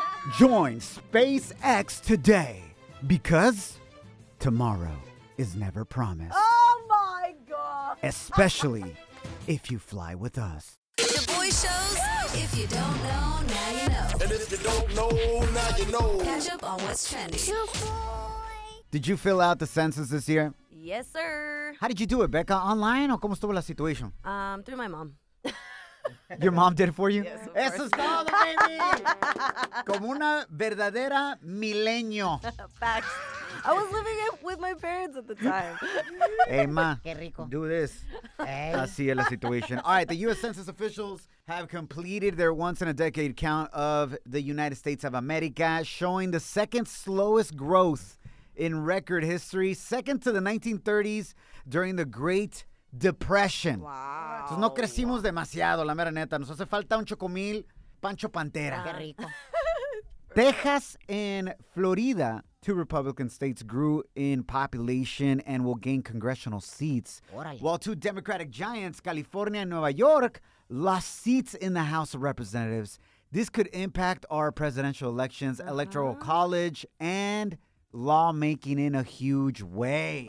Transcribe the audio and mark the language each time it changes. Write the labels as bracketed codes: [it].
[en] Join SpaceX today, because tomorrow is never promised. Oh, my God. Especially if you fly with us. The Boy Shows, if you don't know, now you know. And if you don't know, now you know. Catch up on what's trending. Boy. Did you fill out the census this year? Yes, sir. How did you do it, Becca? Online or [es] cómo estuvo la situación? [en] Through my mom. Your mom did it for you? Yes, [es] eso es todo, [en] baby. [es] Como una verdadera milenio. [en] Facts. I was living it with my parents at the time. Hey, ma. [es] Qué rico. [en] Do this. Hey. [es] Así es la situación. [en] All right, the U.S. Census officials have completed their once-in-a-decade count of the United States of America, showing the second slowest growth in record history, second to the 1930s during the Great Depression. Wow. [es] Entonces, no crecimos demasiado, la mera neta. Nos hace falta un chocomil Pancho Pantera. Qué rico. [en] Texas and Florida, two Republican states, grew in population and will gain congressional seats. [es] Orale. [en] While two Democratic giants, California and Nueva York, lost seats in the House of Representatives. This could impact our presidential elections, uh-huh, electoral college, and lawmaking in a huge way.